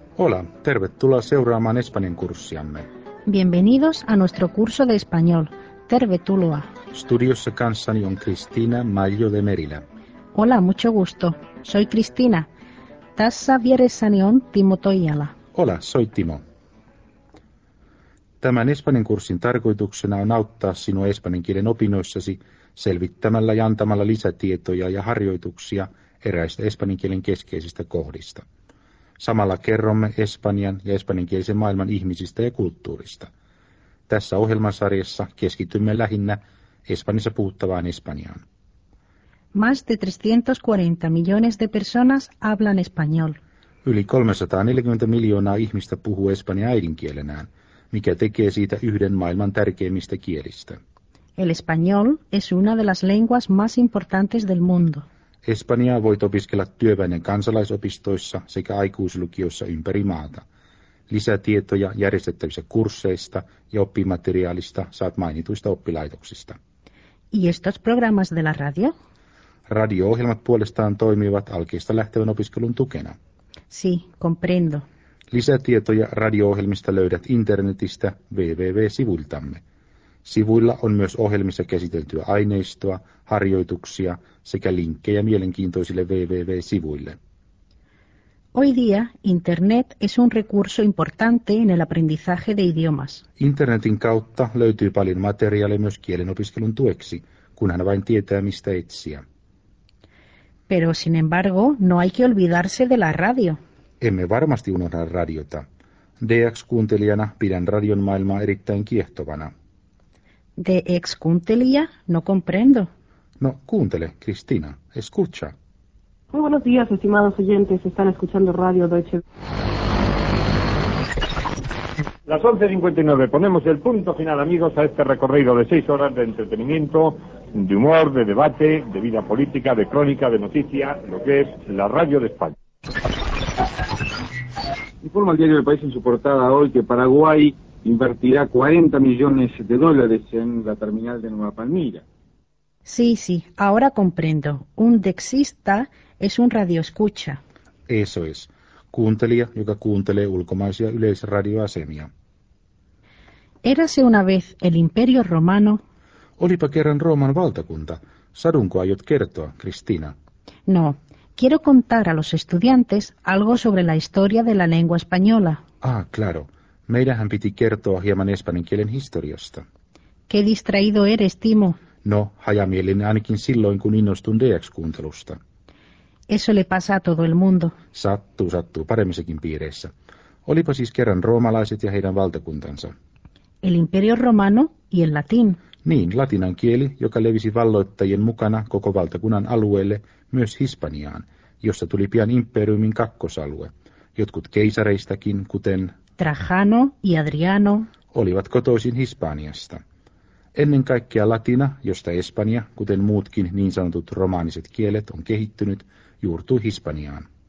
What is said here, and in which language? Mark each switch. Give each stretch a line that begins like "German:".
Finnish: Hola, tervetuloa seuraamaan Espanjan kurssiamme.
Spanish: Bienvenidos a nuestro curso de español.
Finnish: Tervetuloa. Studiossa kanssani on Cristina Mallo de Merila.
Spanish: Hola, mucho gusto. Soy Cristina.
Finnish: Tässä vieressäni on Timo Toijala.
Spanish: Hola, soy Timo.
Finnish: Tämän Espanjan kurssin tarkoituksena on auttaa sinua espanjan kielen opinnoissasi selvittämällä ja antamalla lisätietoja ja harjoituksia eräistä espanjan kielen keskeisistä kohdista. Samalla kerromme espanjan ja espanjankielisen maailman ihmisistä ja kulttuurista. Tässä ohjelmasarjassa keskitymme lähinnä Espanjassa puhuttavaan espanjaan.
Spanish: Más de 340 millones de personas hablan español.
Finnish: Yli 340 miljoonaa ihmistä puhuu espanjaa äidinkielenään, mikä tekee siitä yhden maailman tärkeimmistä kielistä.
Spanish: El español es una de las lenguas más importantes del mundo.
Finnish: Espanjaa voit opiskella työväen kansalaisopistoissa sekä aikuislukioissa ympäri maata. Lisätietoja järjestettävissä kursseista ja oppimateriaalista saat mainituista oppilaitoksista.
Spanish: ¿Y estos programas de la radio?
Finnish: Radio-ohjelmat puolestaan toimivat alkeista lähtevän opiskelun tukena.
Spanish: Sí, comprendo.
Finnish: Lisätietoja radio-ohjelmista löydät internetistä www-sivuiltamme. Sivuilla on myös ohjelmissa käsiteltyä aineistoa, harjoituksia sekä linkkejä mielenkiintoisille www-sivuille.
Spanish: Hoy día internet es un recurso importante en el aprendizaje de idiomas.
Finnish: Internetin kautta löytyy paljon materiaalia myös kielen opiskelun tueksi, kunhan vain tietää mistä etsiä.
Spanish: Pero sin embargo, no hay que olvidarse de la radio.
Finnish: Emme varmasti unohda radiota. DX-kuuntelijana pidän radion maailmaa erittäin kiehtovana.
Spanish: DX-kuuntelija? No comprendo.
Finnish: No, kuuntele, Cristina.
Spanish: Escucha. Muy buenos días, estimados oyentes. Están escuchando Radio Deutsche. Las 11:59. Ponemos el punto final, amigos, a este recorrido de 6 horas de entretenimiento, de humor, de debate, de vida política, de crónica, de noticia, lo que es la Radio de España. Informa el diario El País en su portada hoy que Paraguay invertirá 40 millones de dólares en la terminal de Nueva Palmira. Sí, sí, ahora comprendo. Un dexista es un radioescucha. Eso es.
Finnish: Kuuntelija, joka kuuntelee ulkomaisia yleisradioasemia.
Spanish: Érase una vez el Imperio Romano.
Finnish: Olipa kerran Rooman valtakunta. Sadunko aiot kertoa, Cristina?
Spanish: No. Quiero contar a los estudiantes algo sobre la historia de la lengua española. Ah, claro.
Finnish: Meidänhän piti kertoa hieman espanjan kielen historiasta.
Spanish: Qué distraído eres, Timo.
Finnish: No, hajamielinen ainakin silloin, kun innostun DX-kuuntelusta.
Spanish: Eso le pasa a todo el mundo.
Finnish: Sattuu, sattuu, paremmissakin piireissä. Olipa siis kerran roomalaiset ja heidän valtakuntansa.
Spanish: El Imperio Romano y el Latín.
Finnish: Niin, latinan kieli, joka levisi valloittajien mukana koko valtakunnan alueelle, myös Hispaniaan, jossa tuli pian imperiumin kakkosalue. Jotkut keisareistakin, kuten
Spanish: Trajano y Adriano,
Finnish: olivat kotoisin Hispaniasta. Ennen kaikkea latina, josta espanja, kuten muutkin niin sanotut romaaniset kielet, on kehittynyt, juurtui Hispaniaan.